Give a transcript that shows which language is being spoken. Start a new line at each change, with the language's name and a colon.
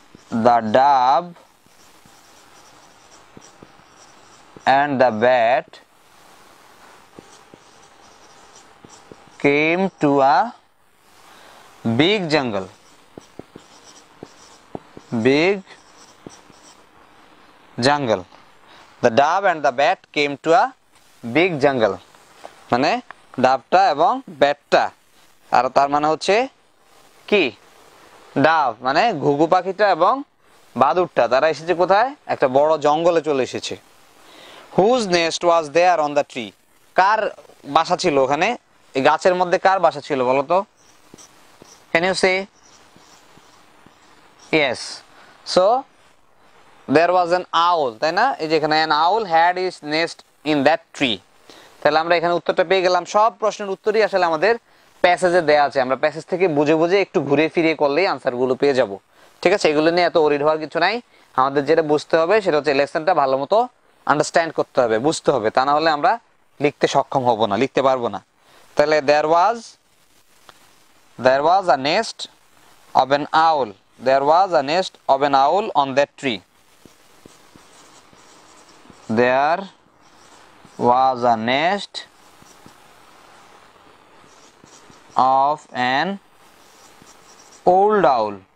English: The dove and the bat came to a big jungle.
Bangla: Big জঙ্গল
English: the dove and the bat came to a big jungle
Bangla: মানে ডাভটা এবং ব্যাটটা আর তার মানে হচ্ছে কি ডাভ মানে ঘুঘু পাখিটা এবং বাদুরটা তারা এসেছে কোথায় একটা বড় জঙ্গলে চলে এসেছে
English: whose nest was there on the tree
Bangla: কার বাসা ছিল ওখানে এই গাছের মধ্যে কার বাসা ছিল বলো তো
English: can you say yes so There was an owl,
Bangla: তাই না? এই যে এখানে
English: an owl had his nest in that tree.
Bangla: তাহলে আমরা এখানে উত্তরটা পেয়ে গেলাম সব প্রশ্নের উত্তরই আসলে আমাদের প্যাসেজে দেয়া আছে আমরা প্যাসেজ থেকে বুঝে বুঝে একটু ঘুরে ফিরে করলেই আনসারগুলো পেয়ে যাব ঠিক আছে এগুলো নিয়ে এত ওরিড হওয়ার কিছু নাই আমাদের যেটা বুঝতে হবে সেটা হচ্ছে লেসনটা ভালো মতো আন্ডারস্ট্যান্ড করতে হবে বুঝতে হবে তা না হলে আমরা লিখতে সক্ষম হব না লিখতে পারবো না তাহলে
English: there was a nest of an owl. There was a nest of an owl on that tree. There was a nest of an old owl.